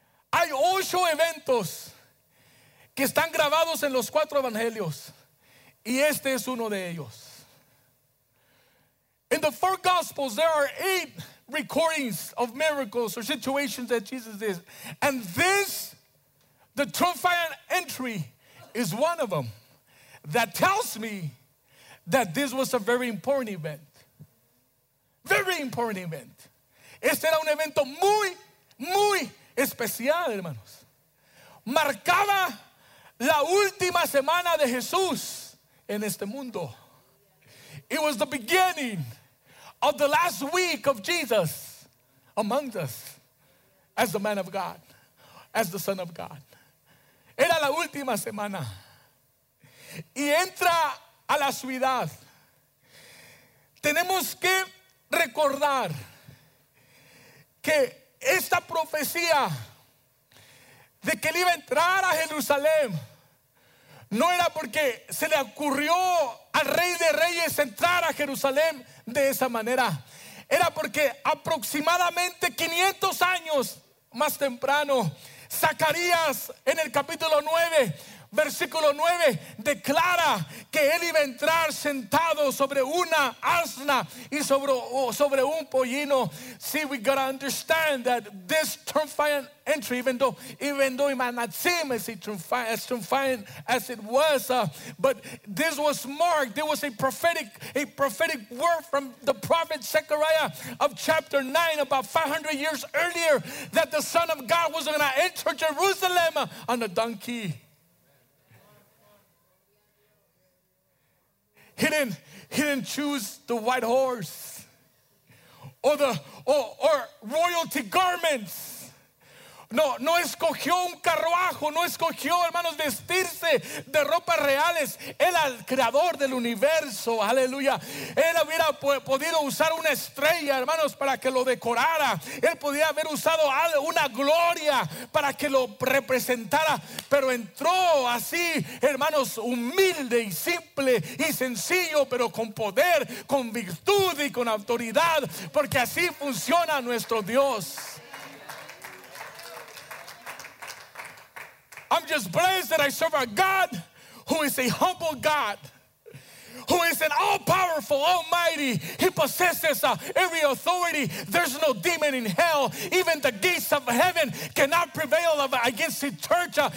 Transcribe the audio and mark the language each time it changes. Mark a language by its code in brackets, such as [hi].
[es] Hay 8 eventos que están grabados en los 4 evangelios, y este es uno de ellos. [en] In the 4 gospels there are 8 recordings of miracles or situations that Jesus did, and this, the triumphant entry, is one of them that tells me that this was a very important event. Very important event. [es] Este era un evento muy, muy especial, hermanos. Marcaba la última semana de Jesús en este mundo. [en] It was the beginning of the last week of Jesus among us as the man of God, as the Son of God. [es] Era la última semana. Y entra a la ciudad. Tenemos que recordar que esta profecía de que él iba a entrar a Jerusalén no era porque se le ocurrió al Rey de Reyes entrar a Jerusalén de esa manera. Era porque aproximadamente 500 años más temprano, Zacarías en el capítulo 9, versículo 9, declara que él iba a entrar sentado sobre una asna y sobre un pollino. [en] See, we gotta understand that this triumphant entry, even though it might not seem as triumphant as it was, but this was marked. There was a prophetic word from the prophet Zechariah of chapter 9, about 500 years earlier, that the Son of God was gonna enter Jerusalem on a donkey. He didn't choose the white horse or royalty garments. [es] No escogió un carruajo, no escogió, hermanos, vestirse de ropas reales. Él, el creador del universo, aleluya. Él hubiera podido usar una estrella, hermanos, para que lo decorara. Él podía haber usado una gloria para que lo representara. Pero entró así, hermanos, humilde y simple y sencillo, pero con poder, con virtud y con autoridad, porque así funciona nuestro Dios. [en] I'm just blessed that I serve a God who is a humble God, who is an all-powerful, almighty. He possesses every authority. There's no demon in hell. Even the gates of heaven cannot prevail against the church.